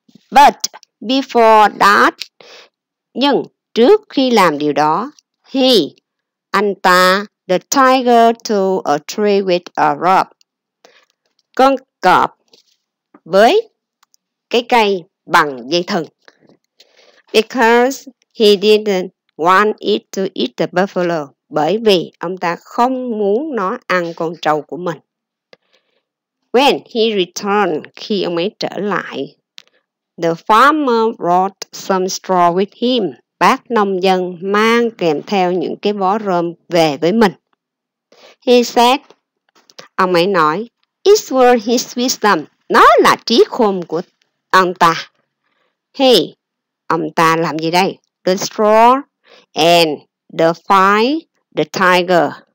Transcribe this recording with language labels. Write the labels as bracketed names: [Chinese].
[English] But before that, [Vietnamese] nhưng trước khi làm điều đó, [English] he, anh ta, the tiger to a tree with a rope. [Vietnamese] Con cọp với cái cây bằng dây thừng. [English] Because he didn't want it to eat the buffalo. [Vietnamese] Bởi vì ông ta không muốn nó ăn con trâu của mình. [English] When he returned, [Vietnamese] khi ông ấy trở lại, [English] the farmer brought some straw with him. [Vietnamese] Bác nông dân mang kèm theo những cái bó rơm về với mình. [English] He said, [Vietnamese] ông ấy nói, [English] it was his wisdom. [Vietnamese] Nó là trí khôn của ông ta. He, ông ta làm gì đây? [English] The straw and the fire, the tiger.